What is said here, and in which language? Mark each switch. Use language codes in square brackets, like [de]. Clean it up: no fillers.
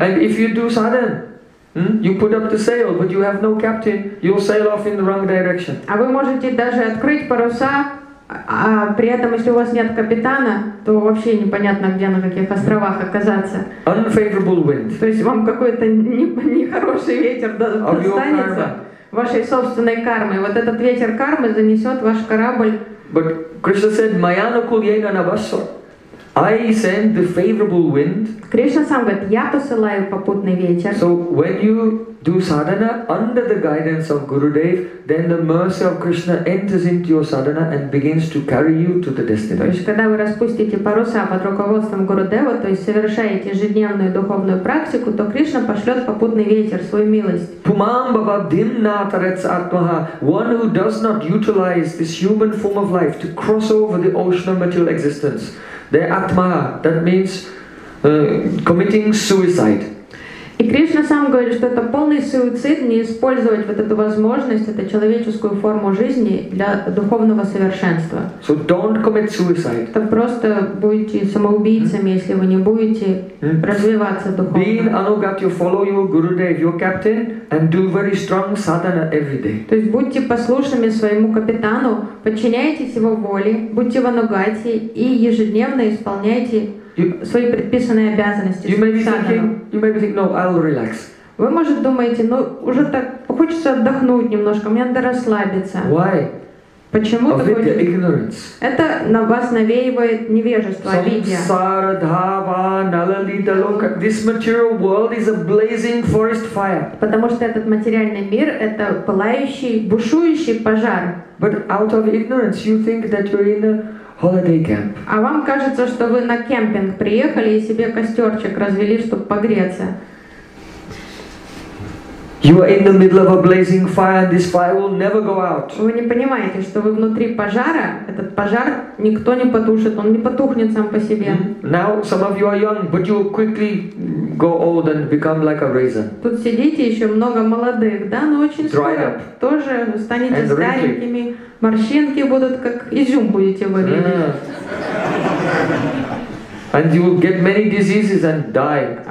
[en] And if you do sadhan, you put up the sail, but you have no captain. You'll sail off in the wrong direction. [ru] А вы можете даже открыть паруса, а при этом, если у вас нет капитана, то вообще непонятно, где на каких островах оказаться. [en] Unfavorable wind. [ru] То есть вам какой-то нехороший ветер достанется вашей собственной кармой. Вот этот ветер кармы занесет ваш корабль. [en] But Krishna said, [sa] "Mayanukul yena navasu." [en] I send the favorable wind. [ru] Кришна сам говорит, я посылаю попутный ветер. [en] So when you do sadhana under the guidance of Gurudev, then the mercy of Krishna enters into your sadhana and begins to carry you to the destination. [ru] То есть когда вы распустите паруса под руководством Гурудева, то есть совершаете ежедневную духовную практику, то Кришна пошлет попутный ветер, свою милость. [sa] Pumam bhava dimnatarets atmaha. [en] One who does not utilize this human form of life to cross over the ocean of material existence. The atma, that means committing suicide. [ru] И Кришна сам говорит, что это полный суицид не использовать вот эту возможность, эту человеческую форму жизни для духовного совершенства. [en] So don't commit suicide. [ru] Так просто будете самоубийцами, если вы не будете развиваться духовно. [en] Being anugat, you follow your Gurudev, your captain, and do very strong sadhana every day. [ru] То есть будьте послушными своему капитану, подчиняйтесь его воле, будьте в анугате и ежедневно исполняйте свои предписанные обязанности. [en] You may be thinking, no, I'll relax. [ru] Вы, может, думаете, ну, уже так хочется отдохнуть немножко, мне надо расслабиться. [en] Why? [ru] Почему такое? [en] Ignorance. [ru] Это на вас навеивает невежество, авидья. [sa] Samsara, dhava, nalalita, loka. [en] This material world is a blazing forest fire. [ru] Потому что этот материальный мир — это пылающий, бушующий пожар. [en] But out of ignorance, you think that you're in a holiday camp. [ru] А вам кажется, что вы на кемпинг приехали и себе костерчик развели, чтобы погреться? [en] You are in the middle of a blazing fire, and this fire will never go out. [ru] Вы не понимаете, что вы внутри пожара. Этот пожар никто не потушит, он не потухнет сам по себе. [en] Now some of you are young, but you quickly go old and become like a raisin. [ru] Тут сидите еще много молодых, да, но очень скоро тоже станете старенькими. Морщинки будут как изюм будете варить. [en] And you will get many diseases and die.